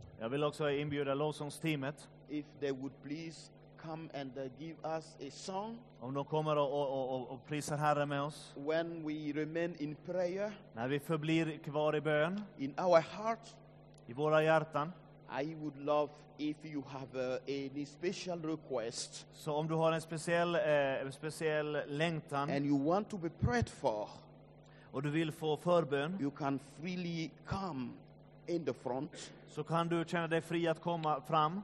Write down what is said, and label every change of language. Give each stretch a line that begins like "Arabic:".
Swedish: Jag vill också inbjuda lovsångsteamet.
English: If they would please come and give us a song.
Swedish: Om de kommer och prisar Herre med oss.
English: When we remain in prayer.
Swedish: När vi förblir kvar i bön.
English: In our heart.
Swedish: I våra hjärtan.
English: I would love if you have any special request.
Swedish: Så om du har en speciell längtan.
English: And you want to be prayed for.
Swedish: Och du vill få förbön.
English: You can freely come in the front.
Swedish: Så kan du känna dig fri att komma fram.